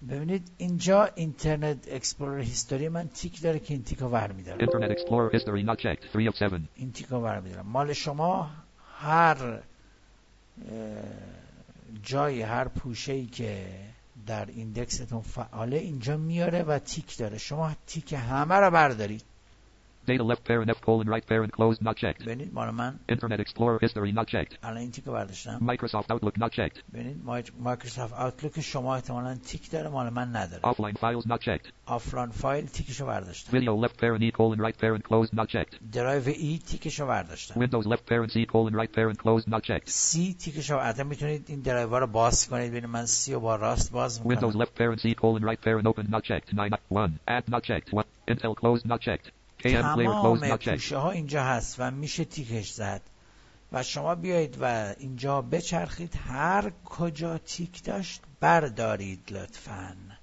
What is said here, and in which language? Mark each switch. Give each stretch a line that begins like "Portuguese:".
Persian: ببینید اینجا internet explorer history من تیک داره که این تیکو برمی‌داره.
English: Internet explorer history not checked 3 of 7.
Persian: این تیکو برمی‌داره. مال شما هر جای هر پوشه‌ای که در ایندکستون فعاله اینجا میاره و تیک داره. شما تیک همه رو بردارید.
English: Data left parent F colon right parent closed not checked.
Persian: ببینید مال من.
English: Internet Explorer history not checked.
Persian: الان این تیک رو برداشتم.
English: Microsoft Outlook not checked.
Persian: ببینید Microsoft Outlook شما احتمالاً تیک داره مال من نداره.
English: Offline files not checked.
Persian: Offline file تیکش رو برداشتم.
English: Video left parent E colon right parent closed not checked.
Persian: Drive E تیکش رو برداشتم.
English: Windows left parent C colon right parent closed not checked.
Persian: C تیکش رو حتما میتونید این درایو رو باز کنید ببینید من C رو با راست باز می‌کنم.
English: Windows left parent C colon right parent open not checked. 9.1 add not checked. 1 Intel closed not checked.
Persian: تمام توشه ها اینجا هست و میشه تیکش زد و شما بیایید و اینجا بچرخید هر کجا تیک داشت بردارید لطفاً.